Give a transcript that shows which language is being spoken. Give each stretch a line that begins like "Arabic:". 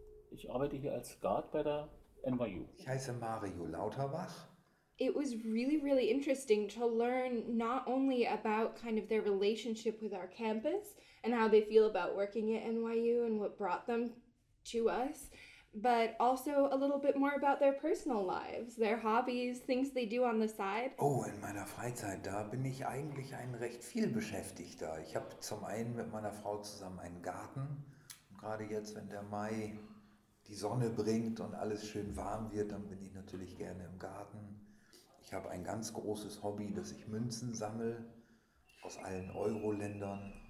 German: Ich arbeite hier als Guard bei der NYU. Ich heiße Mario Lauterbach.
English: It was really, really interesting to learn not only about kind of their relationship with our campus and how they feel about working at NYU and what brought them to us, but also a little bit more about their personal lives, their hobbies, things they do on the side.
German: Oh, in meiner Freizeit, da bin ich eigentlich ein recht viel Beschäftigter. Ich habe zum einen mit meiner Frau zusammen einen Garten. Und gerade jetzt, wenn der Mai die Sonne bringt und alles schön warm wird, dann bin ich natürlich gerne im Garten. Ich habe ein ganz großes Hobby, dass ich Münzen sammle aus allen Euro-Ländern.